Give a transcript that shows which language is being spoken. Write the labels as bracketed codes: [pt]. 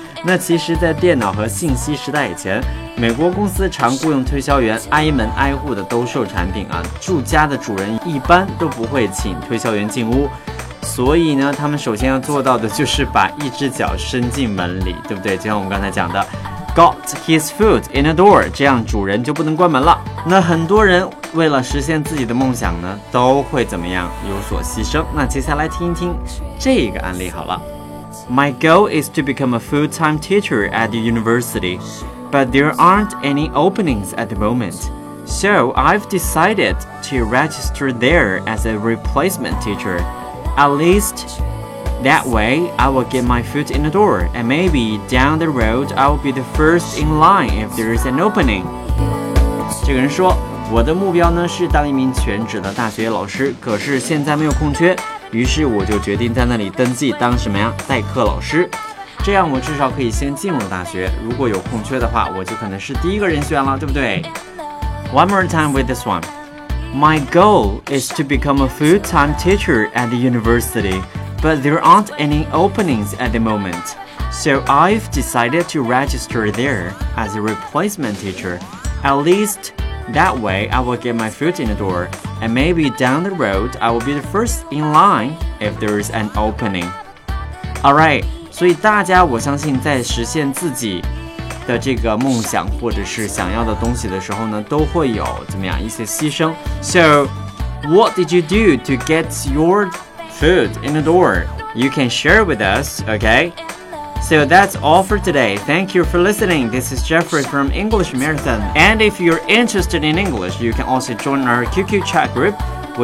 [zh] 那其实在电脑和信息时代以前，美国公司常雇佣推销员挨门挨户的兜售产品啊，住家的主人一般都不会请推销员进屋，所以呢，他们首先要做到的就是把一只脚伸进门里，对不对？就像我们刚才讲的 [en] got his foot in the door， [zh] 这样主人就不能关门了。那很多人为了实现自己的梦想呢，都会怎么样有所牺牲。那接下来听一听这个案例好了。 [en] My goal is to become a full-time teacher at the university, but there aren't any openings at the moment. So I've decided to register there as a replacement teacherAt least, that way, I will get my foot in the door, and maybe down the road, I will be the first in line if there is an opening. [zh] 这个人说，我的目标呢是当一名全职的大学老师，可是现在没有空缺，于是我就决定在那里登记当什么呀？代课老师。这样我至少可以先进入大学，如果有空缺的话，我就可能是第一个人选了，对不对？ [en] One more time with this one. My goal is to become a full-time teacher at the university, but there aren't any openings at the moment. So I've decided to register there as a replacement teacher. At least that way I will get my foot in the door, and maybe down the road I will be the first in line if there is an opening. All right, [zh] 所以大家我相信在实现自己的这个梦想或者是想要的东西的时候呢，都会有怎么样一些牺牲。 [en] So what did you do to get your foot in the door? You can share with us, okay? So that's all for today. Thank you for listening. This is Jeffrey from English Marathon. And if you're interested in English, you can also join our QQ chat group, which is 1768-51227. And